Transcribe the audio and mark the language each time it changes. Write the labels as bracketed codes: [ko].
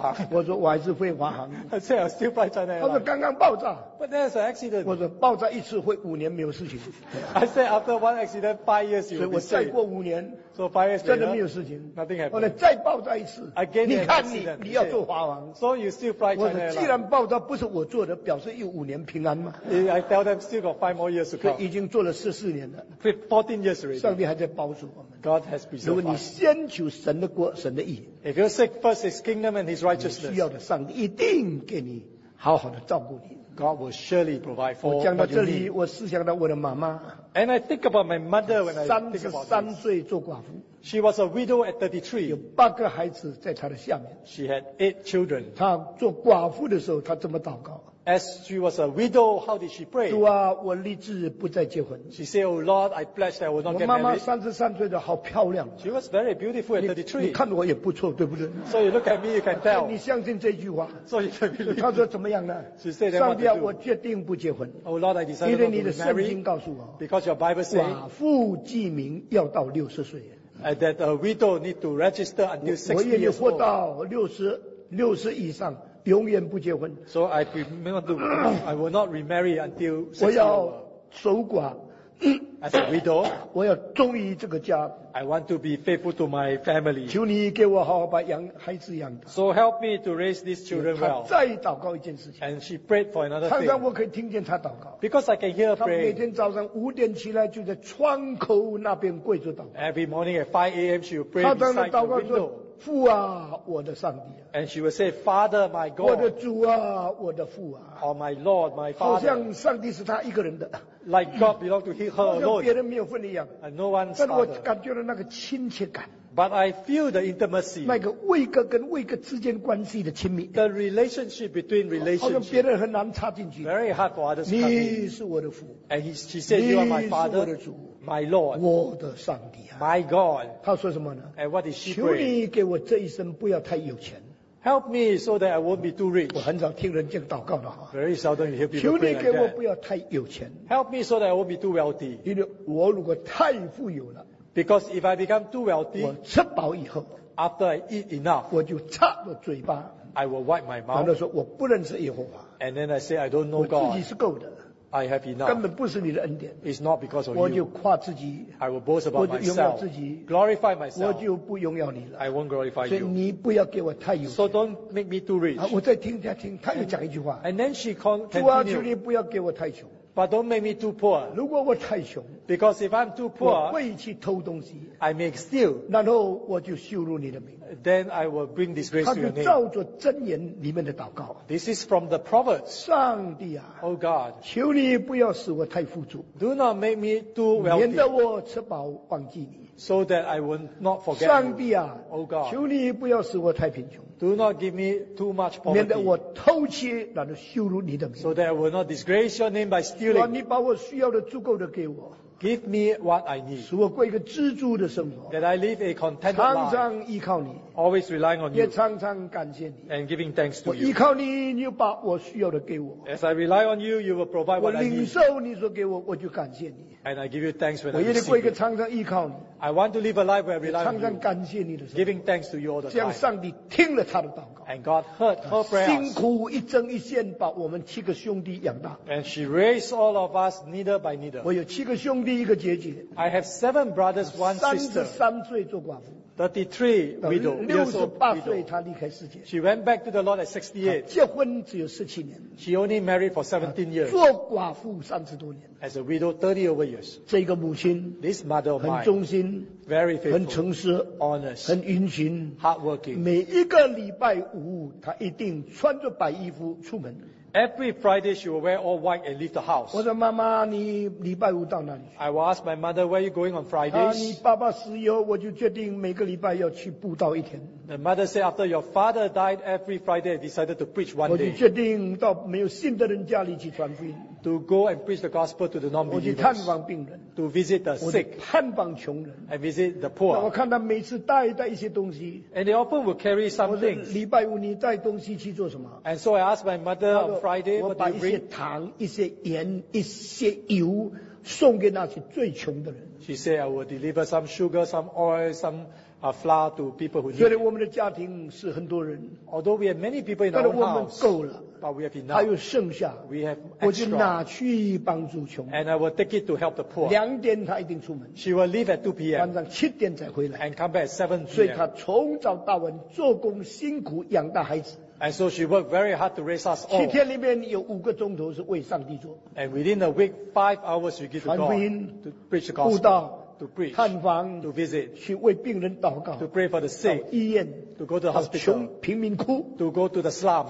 [zh] 你是很重要上帝的仆人，你千万不要飞华航。我说我还是飞华航。 [en] I say I still fly China Airlines. [zh] 他说刚刚爆炸。 [en] But there's an accident. [zh] 我说爆炸一次会5年没有事情。 [en] I say after one accident, 5 years you will be safe. [zh] 过5年 [en] so 5 years [zh] 真的没有事情 [en] nothing happened [zh] 后来再爆炸一次 [en] again [zh] 你看你要做华航 [en] so you still fly China [zh] 我说既然爆炸不是我做的 表示有5年平安吗 [en] I tell them still got 5 more years to come [zh] 已经做了14年了 [en] 14 years already [zh] 上帝还在保守我们 [en] God has preserved us [zh] 如果你先求神的国神的义 [en] if you seek first his kingdom and his righteousness [zh] 你需要的上帝一定给你好好的照顾你 [en] God will surely provide for [zh] 我讲到这里, [en] what you need. [zh] 我思想到我的妈妈, [en] and I think about my mother when I think about this. [zh] 33岁做寡妇, [en] she was a widow at 33. [zh] 有8个孩子在她的下面, [en] she had 8 children. [zh] 她做寡妇的时候, 她这么祷告, [en] As she was a widow, how did she pray? [zh] 主啊，我立志不再结婚。 [en] She said, "Oh Lord, I pledge that I will not get married." [zh] 我妈妈33岁的好漂亮。 [en] She was very beautiful at 33. [zh] 你看我也不错，对不对 [en] ？So you look at me, you can tell. [zh] 你相信这句话 [en] ？So you can believe. [zh] 她说怎么样呢 [en] ？She said, [zh] 上帝啊，我决定不结婚。 [en] Oh Lord, I decided not to get married. [zh] 因为你的圣经告诉我 [en] ，Because your Bible says, [zh] 寡妇记名要到60岁。 [en] That a widow need to register until 60 years old. [zh] 我愿意活到六十以上。永远不结婚。 [en] So I remember, I will not remarry until 60. [zh] 我要守寡。 [en] As a widow, [zh] 我要忠于这个家。 [en] I want to be faithful to my family. [zh] 求你给我好好把养孩子养大。 [en] So help me to raise these children well. [zh] 她再祷告一件事情。 [en] And she prayed for another thing. [zh] 常常我可以听见她祷告。 [en] Because I can hear her pray. [zh] 她每天早上五点起来就在窗口那边跪着祷告。 [en] Every morning at 5 a.m. she will pray beside the window. [zh] 父啊，我的上帝啊 [en] ！And she will say, "Father, my God." [zh] 我的主啊，我的父啊 [en] ！Oh, my Lord, my Father. [zh] 好像上帝是他一个人的 [en] ，like God belongs to her alone. [zh] 好像别人没有份一样 [en] ，and no one's father. [zh] 但我感觉到那个亲切感。 [en] But I feel the intimacy. [zh] 那个位格跟位格之间关系的亲密。 [en] The relationship between relationships. [zh] 好像别人很难插进去。 [en] Very hard for others to come in. [zh] 你是我的父。 [en] And she said, "You are my father." [zh] 你是我的主。 [en] My Lord. [zh] 我的上帝啊。 [en] My God. [zh] 他说什么呢？ [en] And what did she pray? [zh] 求你给我这一生不要太有钱。 [en] Help me so that I won't be too rich. [zh] 我很少听人家祷告的哈。 [en] Very seldom you hear people pray like that. [zh] 求你给我不要太有钱。 [en] Help me so that I won't be too wealthy. [zh] 因为我如果太富有了。 [en] Because if I become too wealthy, [zh] 我吃饱以后 [en] after I eat enough, [zh] 我就擦了嘴巴 [en] I will wipe my mouth. [zh] 然后说我不认识耶和华 [en] And then I say I don't know God. [zh] 我自己是够的 [en] I have enough. [zh] 根本不是你的恩典 [en] It's not because of [zh] 我就夸自己 [en] I will boast about [zh] 我就拥耀自己 [en] myself. Glorify myself. [zh] 我就不拥耀你了 [en] I won't glorify you. [zh] 所以你不要给我太有钱 [en] So don't make me too rich. [zh] 我再听再听，他又讲一句话 [en] And then she continued. [zh] 主啊，求你不要给我太穷。 [en] But don't make me too poor. [zh] 如果我太穷 [en] Because if I'm too poor, [zh] 我会去偷东西 [en] I may steal. [zh] 然后我就羞辱你的名 [en] Then I will bring disgrace to your name. [zh] 他就照着箴言里面的祷告 [en] This is from the Proverbs. [zh] 上帝啊 [en] Oh God. [zh] 求你不要使我太富足 [en] Do not make me too wealthy. [zh] 免得我吃饱忘记你 [en] So that I will not forget [zh] 上帝啊 [en] Oh God. [zh] 求你不要使我太贫穷 [en] Do not give me too much poverty. [zh] 免得我偷窃，然后羞辱你的名。 [en] So that I will not disgrace your name by stealing. [zh] 你把我需要的足够的给我。 [en] Give me what I need. [zh] 使我过一个知足的生活。 [en] That I live a contented life. [zh] 常常依靠你。 [en] Always relying on you. [zh] 也常常感谢你。 [en] And giving thanks to you. [zh] 我依靠你，你就把我需要的给我。 [en] As I rely on you, you will provide what I need. [zh] 我领受你所给我，我就感谢你。 [en] And I give you thanks when I it. [zh] 我愿意过一个常常依靠你。 [en] I want to live a life where I rely on you. [zh] 常常感谢你的生活。 [en] Giving thanks to you all the time. [zh] 这样上帝听了他的祷告。 [en] And God heard her prayers. [zh] 辛苦一针一线把我们七个兄弟养大。 [en] And she raised all of us needle by needle. [zh] 我有七个兄弟一个姐姐。 [en] I have 7 brothers, 1 sister. [zh] 33岁做寡妇。 [en] 33 widow. [zh] 68岁她离开世界。 [en] She went back to the Lord at 68. [zh] 结婚只有17年。 [en] She only married for 17 years. [zh] 做寡妇30多年。 [en] As a widow, 30 over years. [zh] 这个母亲 [en] This mother of mine, [zh] 很忠心 [en] very faithful, [zh] 很诚实 [en] honest, [zh] 很殷勤 [en] hardworking. [zh] 每一个礼拜五她一定穿着白衣服出门。 [en] Every Friday, she will wear all white and leave the house. [zh] 我说妈妈，你礼拜五到哪里去 [en] ？I will ask my mother, where are you going on Fridays? [zh] 你爸爸死以后，我就决定每个礼拜要去布道一天。 [en] The mother said, after your father died, every Friday, I decided to preach one day. [zh] 我就决定到没有信的人家里去传福音。 [en] To go and preach the gospel to the non-believers. [zh] 我去探访病人。 [en] To visit the sick. [zh] 我探访穷人。 [en] And visit the poor. [zh] 我看他每次带一些东西。 [en] And they often will carry something. [zh] 礼拜五你带东西去做什么 [en] ？And so I asked my mother on Friday, what do you bring? [zh] 我把一些糖、一些盐、一些油送给那些最穷的人。 [en] She said, I will deliver some sugar, some oil, some flour to people who need. [zh] 虽然我们的家庭是很多人。 [en] Although we have many people in our house. [zh] 但我们够了。 [en] But we have enough. [zh] 还有剩下 [en] we have extra. [zh] 我就拿去帮助穷 [en] And I will take it to help the poor. [zh] 2点他一定出门 [en] She will leave at 2 p.m. [zh] 晚上7点才回来 [en] And come back at 7 p.m. [zh] 所以他从早到晚做工辛苦养大孩子 [en] And so she worked very hard to raise us all. [zh] 7天里面有5个钟头是为上帝做 [en] And within a week, 5 hours we give to God. [zh] 传福音 [en] To preach the gospel. To preach, [zh] 探访 [en] to visit, [zh] 去为病人祷告 [en] to pray for the sick, [zh] 到医院 [en] to go to the hospital, [zh] 穷贫民窟 [en] to go to the slums,